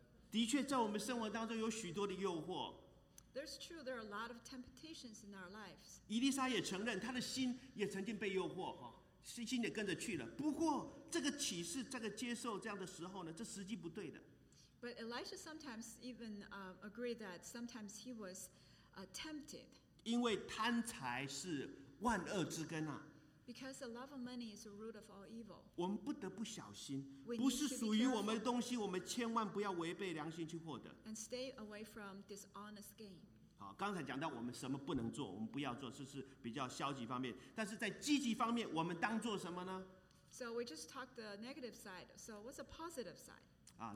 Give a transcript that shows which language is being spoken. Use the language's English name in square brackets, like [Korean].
[Chinese] 的确，在我们生活当中有许多的诱惑。 [English] There's true, there are a lot of temptations in our lives. [Chinese] 以利沙也承认，他的心也曾经被诱惑，哈，心也跟着去了。不过，这个启示，这个接受这样的时候呢，这时机不对的。 [English] But Elisha sometimes even agreed that sometimes he was tempted. [Chinese] 因为贪财是万恶之根啊。 [English] Because the love of money is the root of all evil. [Chinese] 我们不得不小心，不是属于我们的东西，我们千万不要违背良心去获得。 [English] And stay away from dishonest gain. [Chinese] 好，刚才讲到我们什么不能做，我们不要做，这是比较消极方面。但是在积极方面，我们当做什么呢？ [English] So we just talked the negative side. So what's the positive side?